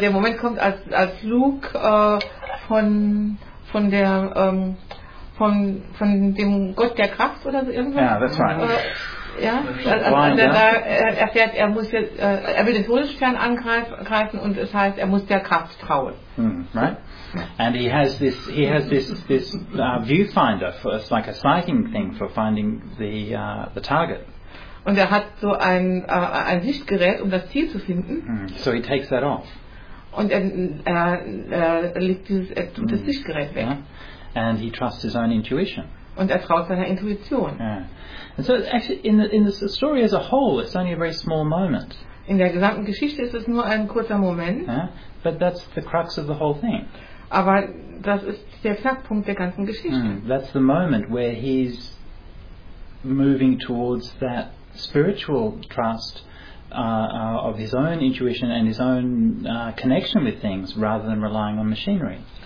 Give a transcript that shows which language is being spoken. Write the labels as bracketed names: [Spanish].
[German] Der Moment kommt, als Luke von dem Gott der Kraft oder so irgendwas. [English] Ja, yeah, that's right. [German] Ja, er will den Todesstern angreifen und es heißt, er muss der Kraft trauen. [English] Mm, right? And he has this viewfinder, for, it's like a sighting thing for finding the target. [German] Und er hat so ein Sichtgerät, um das Ziel zu finden. [English] Mm, so he takes that off. [German] Und er tut das Sichtgerät weg. [English] Yeah? And he trusts his own intuition. [German] Und er traut seiner Intuition. [English] Yeah. And so actually in the story as a whole, it's only a very small moment. [German] In der gesamten Geschichte ist es nur ein kurzer Moment. [English] Yeah? But that's the crux of the whole thing. [German] Aber das ist der Knackpunkt der ganzen Geschichte. Mm, [English] that's the moment where he's moving towards that spiritual trust of his own intuition and his own connection with things rather than relying on machinery.